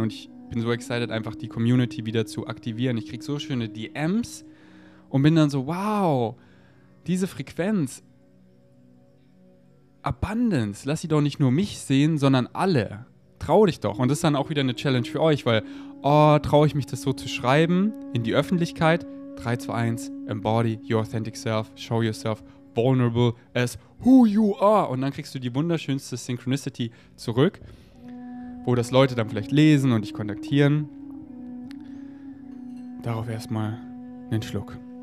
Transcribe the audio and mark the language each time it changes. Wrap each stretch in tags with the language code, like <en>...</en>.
<de>Und ich bin so excited, einfach die Community wieder zu aktivieren. Ich kriege so schöne DMs und bin dann so, wow, diese Frequenz. Abundance, lass sie doch nicht nur mich sehen, sondern alle. Trau dich doch. Und das ist dann auch wieder eine Challenge für euch, weil, oh, traue ich mich das so zu schreiben in die Öffentlichkeit?</de> <en>3, 2, 1, embody your authentic self, show yourself vulnerable as who you are.</en> <de>Und dann kriegst du die wunderschönste Synchronicity zurück, wo das Leute dann vielleicht lesen und dich kontaktieren. Darauf erstmal einen Schluck.</de>